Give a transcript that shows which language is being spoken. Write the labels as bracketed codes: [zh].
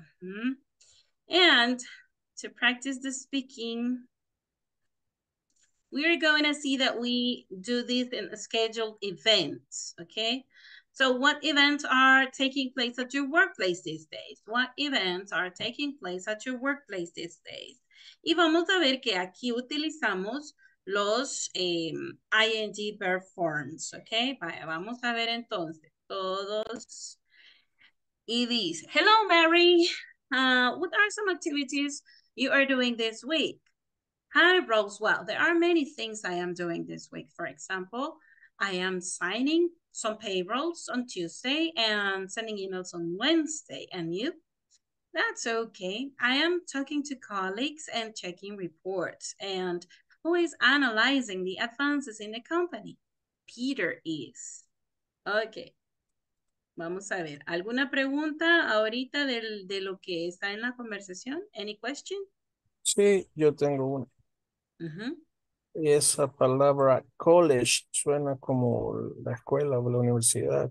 [en] Mm-hmm. And to practice the speaking, we are going to see that we do this in a scheduled event, okay? So what events are taking place at your workplace these days? What events are taking place at your workplace these days? [es] Y vamos a ver que aquí utilizamos los ing verb forms, ¿ok? Vaya, vamos a ver entonces todos. Y dice, [en] hello Mary, what are some activities you are doing this week? Hi Roswell, there are many things I am doing this week. For example, I am signing some payrolls on Tuesday and sending emails on Wednesday. And you? That's okay. I am talking to colleagues and checking reports. And who is analyzing the advances in the company? Peter is. Okay. [es] Vamos a ver. ¿Alguna pregunta ahorita de lo que está en la conversación? [en] Any question? [es] Sí, yo tengo una. Uh-huh. Esa palabra college suena como la escuela o la universidad.